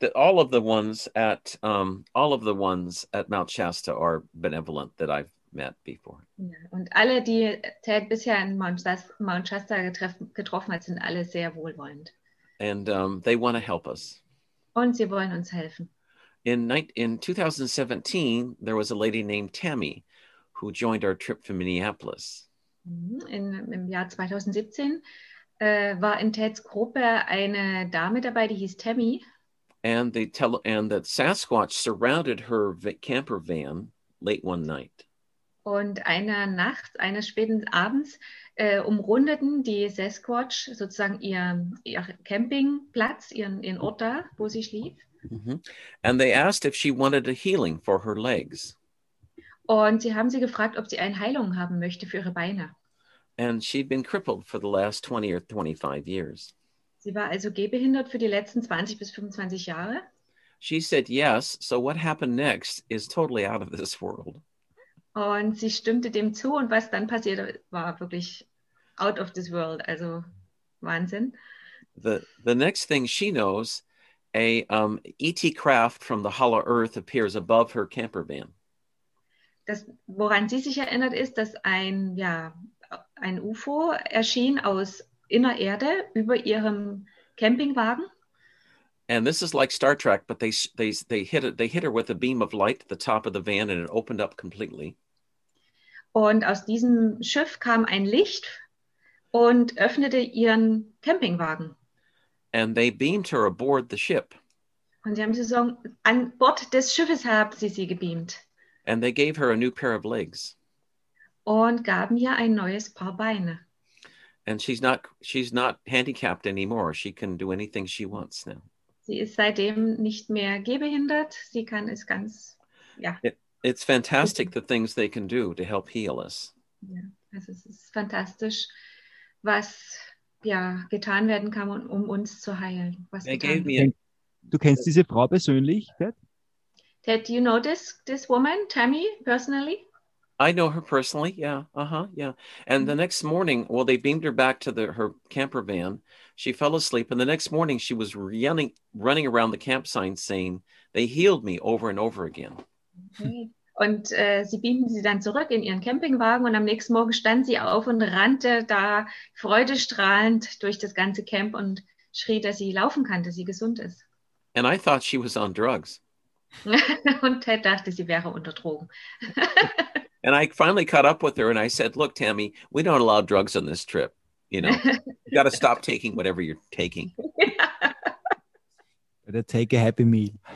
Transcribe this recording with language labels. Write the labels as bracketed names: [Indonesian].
[English] But all of the ones at Mount Shasta are benevolent that I've met before. [German] Ja, und alle, die Ted bisher in Mount Shasta getroffen hat, sind alle sehr wohlwollend. [English] And they want to help us. [German] Und sie wollen uns helfen. [English] In 2017, there was a lady named Tammy who joined our trip from Minneapolis. [German] Im Jahr 2017 war in Teds Gruppe eine Dame dabei, die hieß Tammy. [English] And the Sasquatch surrounded her camper van late one night. [German] Und einer Nacht, eines späten Abends, umrundeten die Sasquatch sozusagen ihr Campingplatz, ihren Ort da, wo sie schlief. [English] Mm-hmm. And they asked if she wanted a healing for her legs. [German] Und sie haben sie gefragt, ob sie eine Heilung haben möchte für ihre Beine. [English] And she'd been crippled for the last 20 or 25 years. [German] Sie war also gehbehindert für die letzten 20 bis 25 Jahre. [English] She said yes, so what happened next is totally out of this world. [German] Und sie stimmte dem zu und was dann passierte, war wirklich [English] out of this world, [German] also Wahnsinn. [English] The next thing she knows, a ET craft from the hollow earth appears above her camper van. [German] Das, woran sie sich erinnert ist, dass ein UFO erschien aus inner Erde über ihrem Campingwagen. [English] And this is like Star Trek, but they hit her with a beam of light at the top of the van and it opened up completely. [German] Und aus diesem Schiff kam ein Licht und öffnete ihren Campingwagen. [English] And they beamed her aboard the ship. [German] Und sie haben gesagt, an Bord des Schiffes haben sie sie gebeamt. [English] And they gave her a new pair of legs. [German] Und gaben ihr ein neues Paar Beine. [English] And she's not handicapped anymore. She can do anything she wants now. [German] Sie ist seitdem nicht mehr gehbehindert. Sie kann es ganz, ja. [English] It's fantastic the things they can do to help heal us. [German] Ja, also es ist fantastisch, was ja getan werden kann, um uns zu heilen. Was [English] they gave me [German] du kennst diese Frau persönlich, Ted? [English] Ted, do you know this woman, Tammy, personally? I know her personally, yeah. Uh-huh, yeah. And the next morning, well, they beamed her back to her camper van. She fell asleep, and the next morning she was running around the campsite saying, they healed me over and over again. [German] Und sie beamten sie dann zurück in ihren Campingwagen und am nächsten Morgen stand sie auf und rannte da freudestrahlend durch das ganze Camp und schrie, dass sie laufen kann, dass sie gesund ist. [English] And I thought she was on drugs. [German] Und Ted dachte, sie wäre unter Drogen. [English] And I finally caught up with her and I said, look, Tammy, we don't allow drugs on this trip. You know, you got to stop taking whatever you're taking. Better take a happy meal.